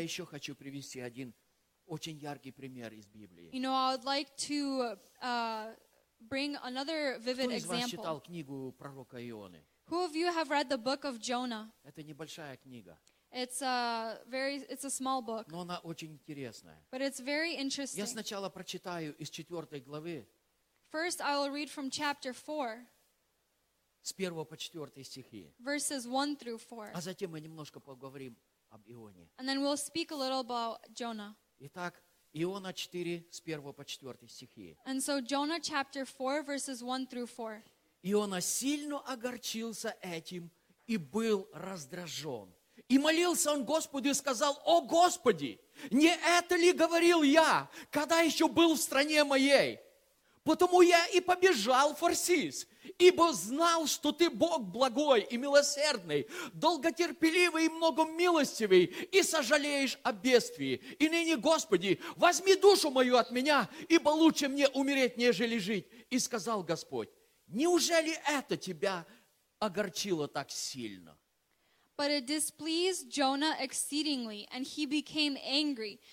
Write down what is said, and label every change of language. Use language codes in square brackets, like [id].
[ru] Я еще хочу привести один очень яркий пример из Библии. [en] You know, I would like to bring another vivid example. [ru] Кто из вас читал книгу пророка Ионы? [en] Who of you have read the book of Jonah? [ru] Это небольшая книга. [en] It's a small book. [ru] Но она очень интересная. [en] But it's very interesting. [ru] Я сначала прочитаю из 4 главы. [en] First, I will read from chapter 4. [ru] С 1 по 4 стихи. [en] Verses 1 through 4. [ru] А затем мы немножко поговорим об Ионе. [en] And then we'll speak a little about Jonah. [ru] Итак, Иона 4, с 1 по 4 стихи. [en] And so Jonah chapter 4, verses 1 through 4. [ru] Иона сильно огорчился этим и был раздражен. И молился он Господу и сказал, «О Господи, не это ли говорил я, когда еще был в стране моей? Потому я и побежал в Фарсис». Ибо знал, что ты Бог благой и милосердный, долготерпеливый и многомилостивый, и сожалеешь о бедствии. И ныне, Господи, возьми душу мою от меня, ибо лучше мне умереть, нежели жить. И сказал Господь, неужели это тебя огорчило так сильно? [en] But it displeased Jonah exceedingly, and he became angry.